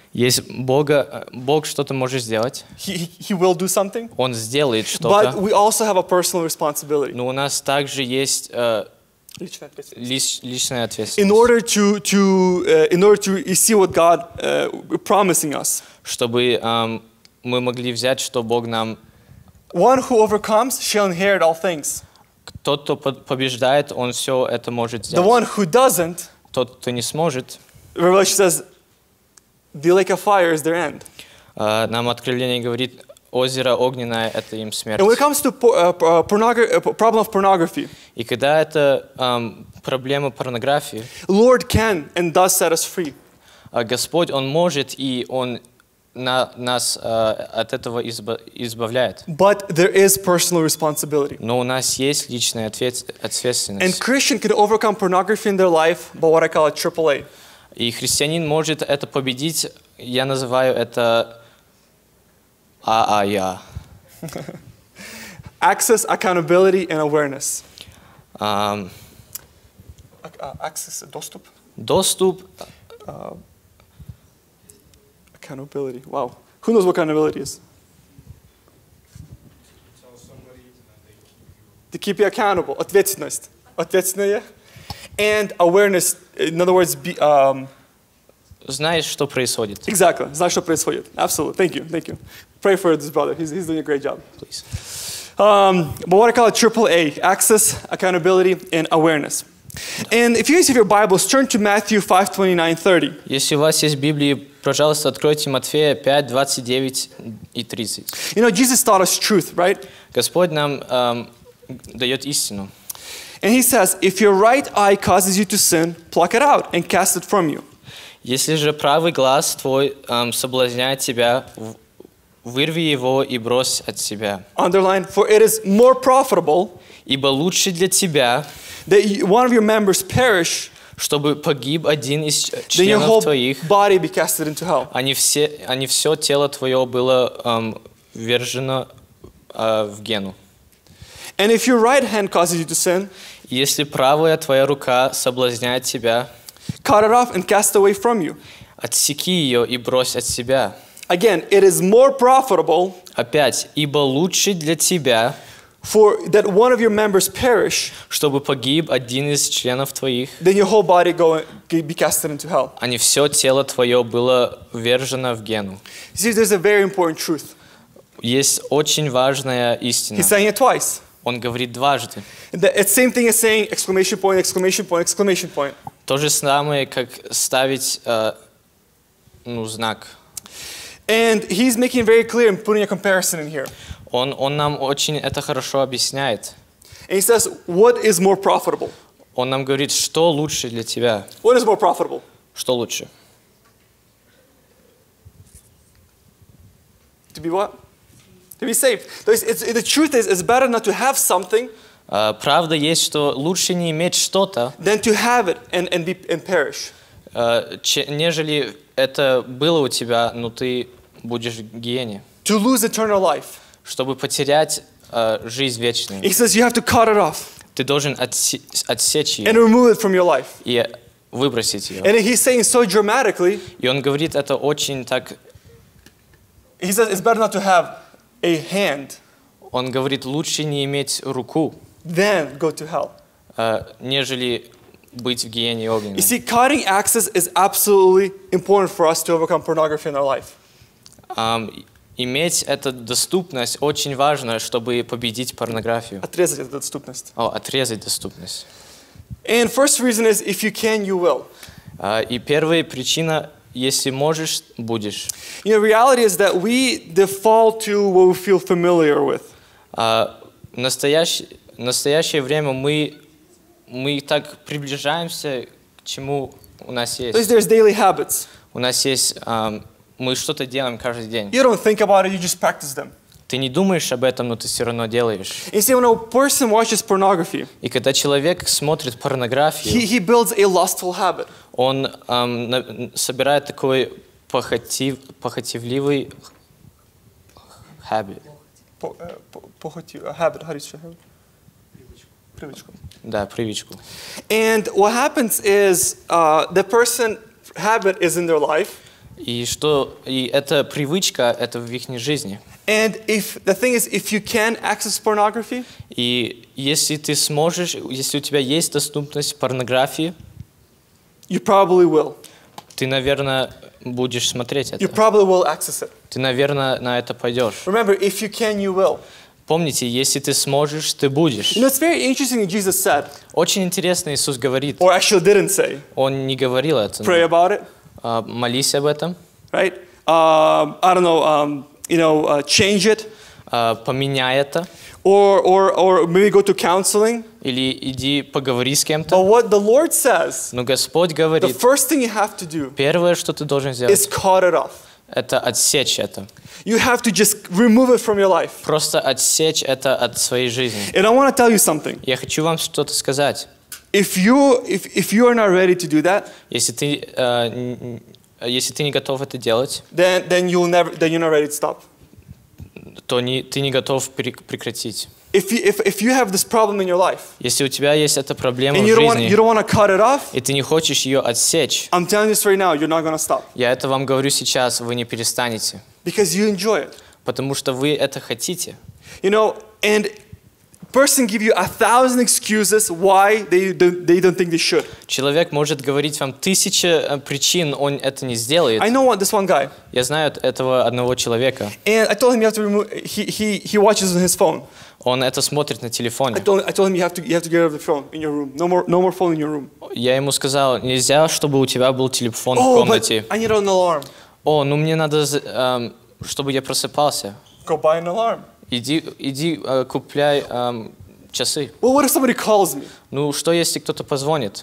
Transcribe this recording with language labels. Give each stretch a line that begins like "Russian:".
Russian: Есть Бога, Бог что-то может сделать.
English: He will do something.
Russian: Он сделает что-то.
English: But we also have a personal responsibility.
Russian: Но у нас также есть личная ответственность.
English: In order to see what God promising us.
Russian: Чтобы мы могли взять, что Бог нам.
English: One who overcomes shall inherit all things.
Russian: Тот, кто побеждает, он все это может сделать.
English: The one who doesn't,
Russian: тот, кто не сможет.
English: Revelation says, the lake of fire is their end.
Russian: Нам Откровение говорит, озеро огненное — это им смерть.
English: And when it comes to problem of pornography,
Russian: и когда это проблема порнографии,
English: Lord can and does set us free.
Russian: Господь, Он может, и Он нас от этого избавляет.
English: But there is personal responsibility.
Russian: Но у нас есть личная ответственность.
English: And Christian can overcome pornography in their life by what I call a triple A.
Russian: И христианин может это победить, я называю это ААЯ.
English: Access, accountability and awareness.
Russian: Access, доступ. Доступ.
English: Accountability. Wow. Who knows what accountability is? To keep you accountable.
Russian: Ответственность. Ответственная.
English: And awareness. In other words,
Russian: Знаешь, что происходит.
English: Exactly.
Russian: Знаешь, что происходит.
English: Absolutely. Thank you. Pray for this brother. He's doing a great job. Please. But what I call it, triple A. Access, accountability, and awareness. And if you guys have your Bibles, turn to Matthew 5:29-30.
Russian: Если у вас есть Библии, пожалуйста, откройте Матфея 5:29-30.
English: You know, Jesus taught us truth, right?
Russian: Господь нам дает истину.
English: And he says, if your right eye causes you to sin, pluck it out and cast it from you.
Russian: Если же правый глаз твой соблазняет тебя, вырви его и брось от себя.
English: Underline, for it is more profitable,
Russian: ибо лучше для тебя,
English: that one of your members perish,
Russian: чтобы погиб один из членов твоих,
English: body be casted into hell.
Russian: А не все тело твое было ввержено в гену.
English: And if your right hand causes you to sin,
Russian: если правая твоя рука соблазняет тебя,
English: cut it off and cast away from you.
Russian: Отсеки ее и брось от себя.
English: Again, it is more profitable.
Russian: Опять, ибо лучше для тебя.
English: For that one of your members perish,
Russian: чтобы погиб один из членов твоих,
English: then your whole body go be casted into hell.
Russian: А не все тело твое было ввержено в гену.
English: See, there's a very important truth.
Russian: Есть очень важная истина.
English: He's saying it twice.
Russian: Он говорит дважды.
English: It's same thing as saying exclamation point, exclamation point, exclamation point.
Russian: То же самое, как ставить знак.
English: And he's making it very clear and putting a comparison in here.
Russian: Он нам очень это хорошо объясняет.
English: And he says, what is more profitable?
Russian: Он нам говорит, что лучше для тебя.
English: What is more profitable?
Russian: Что лучше?
English: To be what? To be saved.
Russian: То есть
English: the truth is, it's better not to have something.
Russian: Правда есть, что лучше не иметь что-то.
English: Than to have it and perish.
Russian: Нежели это было у тебя, но ты будешь гиене.
English: To lose eternal life.
Russian: Чтобы потерять жизнь вечную.
English: He says you have to cut it off.
Russian: Ты должен отсечь ее.
English: And remove it from your life.
Russian: И выбросить ее.
English: And he's saying so dramatically.
Russian: И он говорит это очень так.
English: He says it's better not to have a hand.
Russian: Он говорит лучше не иметь руку.
English: Then go to hell.
Russian: Нежели быть в гиене огненной.
English: You see, cutting access is absolutely important for us to overcome pornography in our life.
Russian: Иметь эту доступность очень важно, чтобы победить порнографию. Отрезать эту доступность. Отрезать доступность.
English: And first reason is, if you can, you will.
Russian: И первая причина, если можешь, будешь.
English: You know, reality is that we default to what we feel familiar with.
Russian: В настоящее время мы так приближаемся к чему у нас есть.
English: Because there's daily habits.
Russian: У нас есть мы что-то делаем каждый день.
English: You don't think about it, you just practice them.
Russian: Ты не думаешь об этом, но ты все равно делаешь.
English: You see, when a person watches pornography,
Russian: и когда человек смотрит порнографию,
English: he builds a lustful habit.
Russian: Он собирает такой похотливый habit.
English: Habit, how do you say habit?
Russian: Привычку. Да, привычку.
English: And what happens is the person habit is in their life.
Russian: И это привычка, это в их жизни.
English: And if the thing is, if you can access pornography.
Russian: И если ты сможешь, если у тебя есть доступность порнографии.
English: You probably will.
Russian: Ты, наверное, будешь смотреть это.
English: You probably will access it.
Russian: Ты, наверное, на это пойдешь.
English: Remember, if you can, you will.
Russian: Помните, если ты сможешь, ты будешь.
English: You know, it's very interesting that Jesus said.
Russian: Очень интересно, Иисус говорит.
English: Or actually didn't say.
Russian: Он не говорил это.
English: Pray about it.
Russian: Молись об этом.
English: Right? I don't know. You know, change it.
Russian: Поменяй это.
English: Or maybe go to counseling.
Russian: Или иди поговори с кем-то.
English: But what the Lord says.
Russian: Но Господь говорит.
English: The first thing you have to do.
Russian: Первое, что ты должен сделать.
English: Is cut it off.
Russian: Это отсечь это.
English: You have to just remove it from your life.
Russian: Просто отсечь это от своей жизни.
English: And I want to tell you something.
Russian: Я хочу вам что-то сказать.
English: If you are not ready to do that,
Russian: если ты не готов это делать,
English: then you're not ready to stop.
Russian: То не ты не готов прекратить.
English: If you have this problem in your life,
Russian: если у тебя есть эта проблема
English: and
Russian: в жизни,
English: you don't want to cut it off,
Russian: и ты не хочешь ее отсечь,
English: I'm telling you this right now, you're not gonna stop.
Russian: Я это вам говорю сейчас, вы не перестанете.
English: Because you enjoy it.
Russian: Потому что вы это хотите.
English: You know, and person give you 1,000 excuses why they don't think they should.
Russian: Человек может говорить вам 1,000 причин, он это не сделает.
English: I know this one guy.
Russian: Я знаю этого одного человека.
English: And I told him you have to remove. He watches on his phone.
Russian: Он это смотрит на телефоне.
English: I told him you have to get out of the phone in your room. No more phone in your room.
Russian: Я ему сказал, нельзя, чтобы у тебя был телефон в комнате.
English: Oh, but I need an alarm.
Russian: Ну мне надо, чтобы я просыпался.
English: Go buy an alarm.
Russian: Иди, купляй часы.
English: Well, what if somebody calls me?
Russian: Ну, что если кто-то позвонит?